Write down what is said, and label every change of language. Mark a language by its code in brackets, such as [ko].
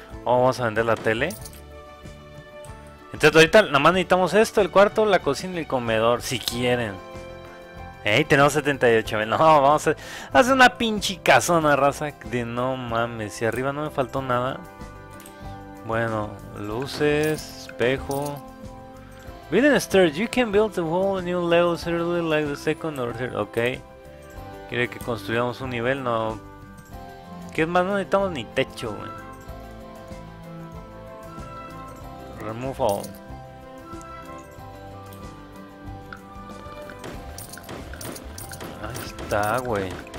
[es] ¿O vamos a vender la tele? Entonces ahorita nada más necesitamos esto, el cuarto, la cocina y el comedor, si quieren. Ey, tenemos 78.000. No, vamos a hacer una pinche casona, raza. De no mames, si arriba no me faltó nada. Bueno, luces, espejo. [en] Building a stairs, you can build a whole new level certainly like the second or third. [es] Ok. Quiere que construyamos un nivel, no. ¿Qué más? No necesitamos ni techo, güey. [en] Remove all. [es] Ahí está, güey.